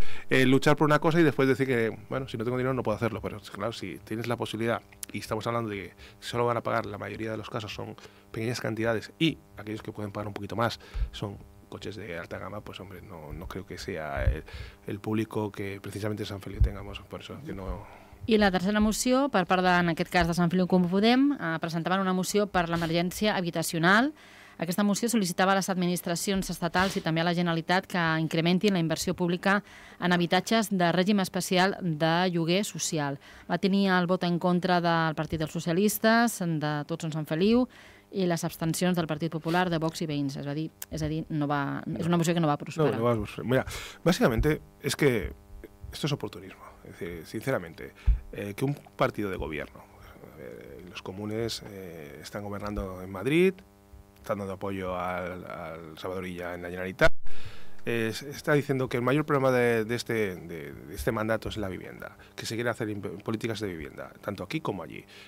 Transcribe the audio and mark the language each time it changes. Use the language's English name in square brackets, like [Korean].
[Spanish] Luchar por una cosa y después decir que, bueno, si no tengo dinero no puedo hacerlo, pero claro, si tienes la posibilidad y estamos hablando de que solo van a pagar, la mayoría de los casos son pequeñas cantidades y aquellos que pueden pagar un poquito más son coches de alta gama, pues hombre, no creo que sea el público que precisamente San Feliu tengamos, por eso que no... [Catalan] I la tercera moció, per part en aquest cas de Sant Feliu en Comú Podem, presentaven una moció per l'emergència habitacional. Aquesta moció sol·licitava a les administracions estatals i també a la Generalitat que incrementin la inversió pública en habitatges de règim especial de lloguer social. Va tenir el vot en contra del Partit dels Socialistes, de tots en Sant Feliu, i les abstencions del Partit Popular, de Vox i Veïns. És a dir, és una moció que no va prosperar. No va prosperar. Mira, bàsicament és que [Spanish] esto es oportunismo. Es decir, sinceramente, que un partido de gobierno, los comunes están gobernando en Madrid, están dando apoyo al Salvadorilla en la Generalitat, está diciendo que el mayor problema de este mandato es la vivienda, que se quiere hacer políticas de vivienda, tanto aquí como allí.